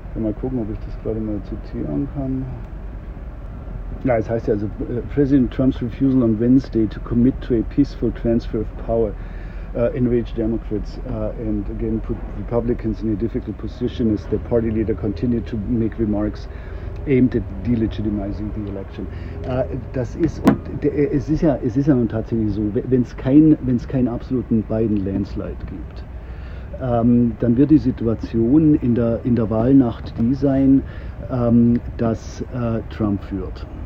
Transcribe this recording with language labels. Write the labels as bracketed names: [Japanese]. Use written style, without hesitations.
[German] Ich will mal gucken, ob ich das gerade mal zitieren kann. Ja, es heißt ja also, [English] President Trump's refusal on Wednesday to commit to a peaceful transfer of power enraged Democrats and again put Republicans in a difficult position as the party leader continued to make remarks aimed at delegitimizing the election. [German] Es ist ja nun tatsächlich so, wenn es keinen absoluten Biden-Landslide gibt, dann wird die Situation in der Wahlnacht die sein, dass Trump führt.